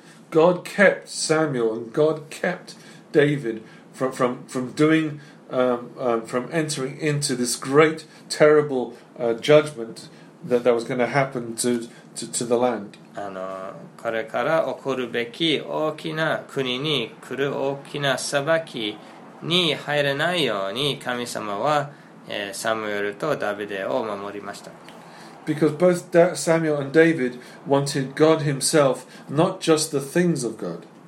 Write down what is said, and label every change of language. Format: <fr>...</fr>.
<en>God kept Samuel and God kept David from doing from entering into this great terrible judgment that was going to happen to the land.</en> <ja>これから起こるべき大きな国に来る大きな裁きに入れないように神様は、サムエルとダビデを守りました。</ja> <en>Because both Samuel and David wanted God Himself, not just the things of God.</en>